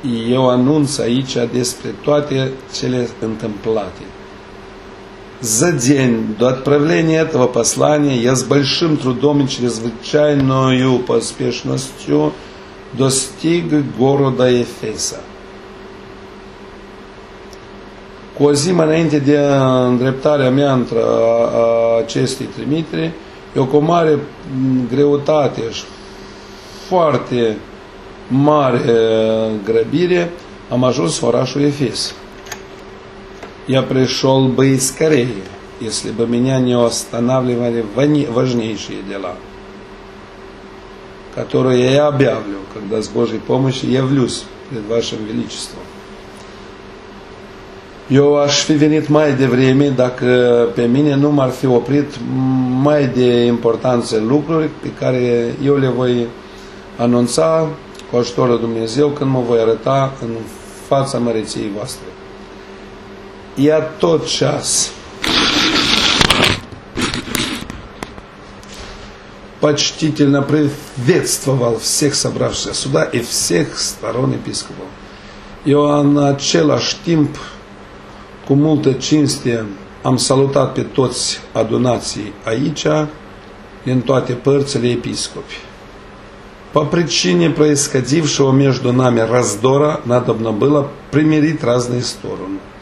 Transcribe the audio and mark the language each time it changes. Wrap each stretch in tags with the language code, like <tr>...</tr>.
<ro>Eu anunț aici despre toate cele întâmplate.</ro> <ru>За день до отправления этого послания я с большим трудом и чрезвычайною поспешностью достиг города Ефеса.</ru> <ro>Cu o zi înainte de îndreptarea mea între acestei trimitere, eu cu mare greutate și foarte mare grăbire, am ajuns în orașul Efes.</ro> <ru>Я пришел бы и скорее, если бы меня не останавливали важнейшие дела, которые я объявлю, когда с Божьей помощью явлюсь пред Вашим Величеством.</ru> <ro>Eu aș fi venit mai devreme dacă pe mine nu m-ar fi oprit mai de importanță lucruri pe care eu le voi anunța cu ajutorul Dumnezeu când mă voi arăta în fața măreției voastre. Ia tot ceas.</ro> <ru>Почтительно приветствовал всех собравшихся сюда и всех сторон епископов.</ru> <ro>Eu în același timp cu multă cinste am salutat pe toți adunații aici, din toate părțile episcopi.</ro> <ru>По причине происходившего между нами раздора надобно было примирить разные стороны.</ru>